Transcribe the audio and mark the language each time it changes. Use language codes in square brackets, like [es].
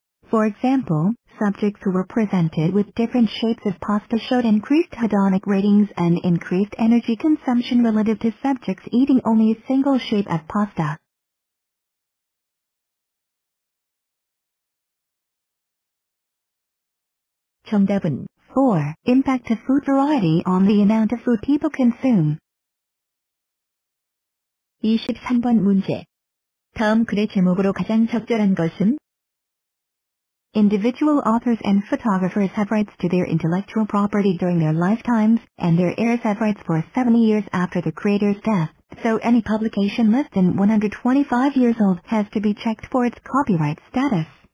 [en] For example, subjects who were presented with different shapes of pasta showed increased hedonic ratings and increased energy consumption relative to subjects eating only a single shape of pasta. [ko] 정답은 4. [en] Impact of food variety on the amount of food people consume. [ko] 23번 문제. 다음 글의 제목으로 가장 적절한 것은? [en] Individual authors and photographers have rights to their intellectual property during their lifetimes, and their heirs have rights for 70 years after the creator's death, so any publication less than 125 years old has to be checked for its copyright status.